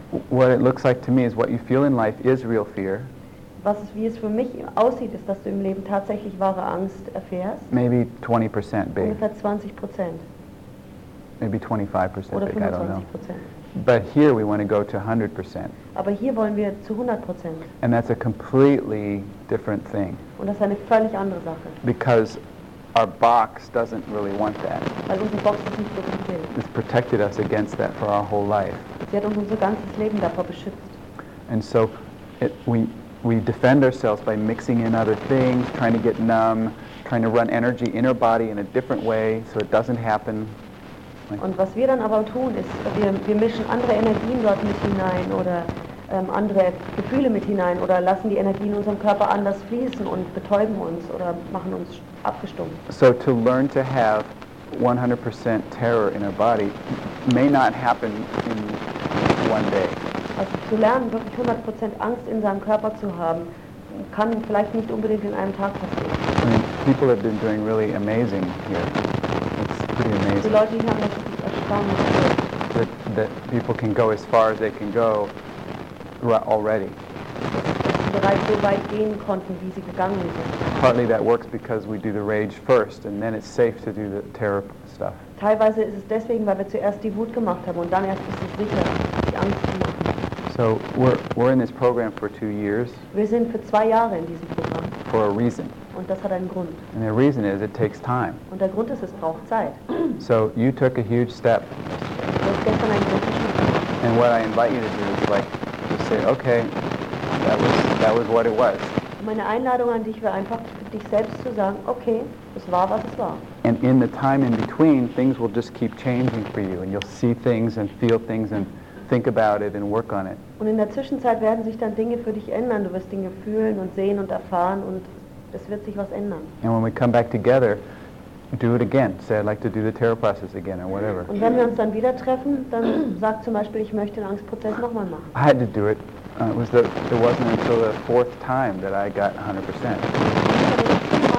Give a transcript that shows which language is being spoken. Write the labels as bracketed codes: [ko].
[en] What it looks like to me is what you feel in life is real fear. [de] Was wie es für mich aussieht, ist, dass du im Leben tatsächlich wahre Angst erfährst. [en] Maybe 20% big. [de] Ungefähr 20%. [en] Maybe 25% [de] 25%. [en] I don't know. But here we want to go to 100%. [de] Aber hier wollen wir zu 100%. [en] And that's a completely different thing. [de] Und das ist eine völlig andere Sache. [en] Because our box doesn't really want that. [de] Weil unsere Box das nicht wirklich will. [en] It's protected us against that for our whole life. [de] Sie hat uns unser ganzes Leben davor beschützt. [en] And so we defend ourselves by mixing in other things, trying to get numb, trying to run energy in our body in a different way, so it doesn't happen. [de] Und was wir dann aber tun, ist, wir mischen andere Energien dort mit hinein oder andere Gefühle mit hinein oder lassen die Energie in unserem Körper anders fließen und betäuben uns oder machen uns abgestumpft. [en] So to learn to have 100% terror in our body may not happen in one day. [de] Also zu lernen, wirklich 100% Angst in seinem Körper zu haben, kann vielleicht nicht unbedingt in einem Tag passieren. [en] I mean, people have been doing really amazing here. It's pretty amazing. [de] Die Leute hier haben das wirklich erstaunlich gemacht. [en] That people can go as far as they can go already. [de] Dass sie bereits so weit gehen konnten, wie sie gegangen sind. [en] Partly that works because we do the rage first and then it's safe to do the terror stuff. [de] Teilweise ist es deswegen, weil wir zuerst die Wut gemacht haben und dann erst ist es sicher, die Angst zu machen. [en] So we're in this program for 2 years. [de] Wir sind für 2 Jahre in diesem Programm. [en] For a reason. [de] Und das hat einen Grund. [en] And the reason is it takes time. [de] Und der Grund ist, es braucht Zeit. [en] So you took a huge step. [de] Du hast gestern einen großen Schritt. [en] And what I invite you to do is like to say, okay, that was what it was. [de] Meine Einladung an dich wäre einfach, dich selbst zu sagen, okay, es war, was es war. [en] And in the time in between, things will just keep changing for you, and you'll see things and feel things and think about it and work on it. [de] Und in der Zwischenzeit werden sich dann Dinge für dich ändern. Du wirst Dinge fühlen und sehen und erfahren, und es wird sich was ändern. [en] And when we come back together, do it again. Say, I'd like to do the terror process again, or whatever. [de] Und wenn wir uns dann wieder treffen, dann sag zum Beispiel, ich möchte den Angstprozess nochmal machen. [en] I had to do it. It wasn't until the fourth time that I got 100%.